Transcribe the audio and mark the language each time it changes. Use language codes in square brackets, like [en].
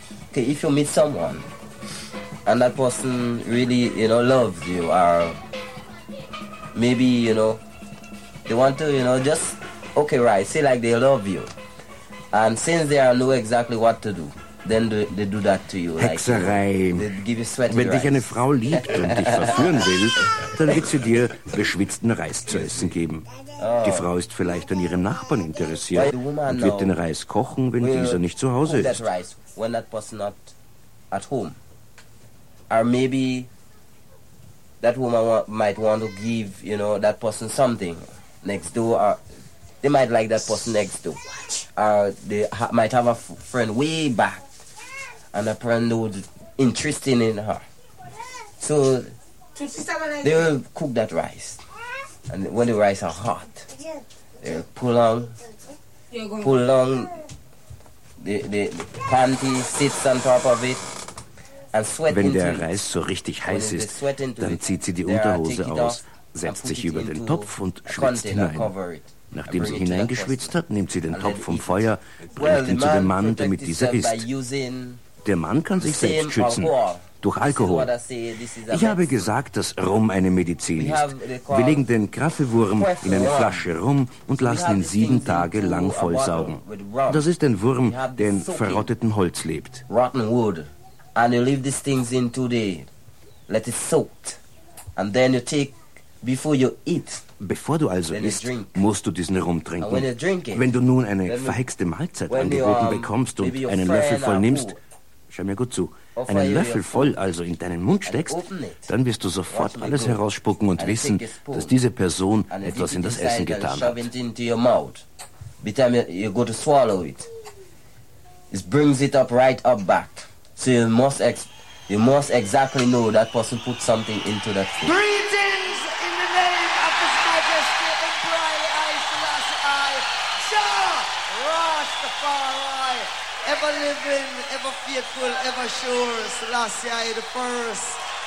[en] Okay, if you meet someone and that person really, you know, loves you, or maybe, you know, they want to, you know, just, okay, right, say like they love you. And since they are know exactly what to do, then they do that to you. [de] Hexerei. [en] Like, they give you sweaty [de] Wenn [en] rice. [de] Dich eine Frau liebt und dich verführen will, dann wird sie dir geschwitzten Reis zu essen geben. Die Frau ist vielleicht an ihrem Nachbarn interessiert und wird den Reis kochen, wenn dieser nicht zu Hause ist. [en] When that person not at home, or maybe that woman might want to give, you know, that person something next door, or they might like that person next door, or they might have a friend way back, and a friend who's interested in her, so they will cook that rice, and when the rice are hot, they will pull on. The panty sits on top of it and sweat. [de] Wenn der Reis so richtig heiß ist, dann zieht sie die Unterhose aus, setzt sich über den Topf und schwitzt hinein. Nachdem sie hineingeschwitzt hat, nimmt sie den Topf vom Feuer, bringt ihn zu dem Mann, damit dieser isst. Der Mann kann sich selbst schützen durch Alkohol. Ich habe gesagt, dass Rum eine Medizin ist. Wir legen den Kraffewurm in eine Flasche Rum und lassen ihn 7 Tage lang vollsaugen. Das ist ein Wurm, der in verrottetem Holz lebt. [en] Rotten wood. And you leave these things in 2 days. Let it soak. And then you take, before you eat. [de] Bevor du also isst, musst du diesen Rum trinken. Wenn du nun eine verhexte Mahlzeit angeboten bekommst und einen Löffel voll nimmst, schau mir gut zu, einen Löffel voll also in deinen Mund steckst, dann wirst du sofort alles herausspucken und wissen, dass diese Person etwas in das Essen getan hat. [en] By the time you go to swallow it, it brings it up right up back. So you must exactly know that person put something into that food. Greetings in the name of the Spiders, the Emperor, ever living, ever faithful, ever sure, Selassie I the first.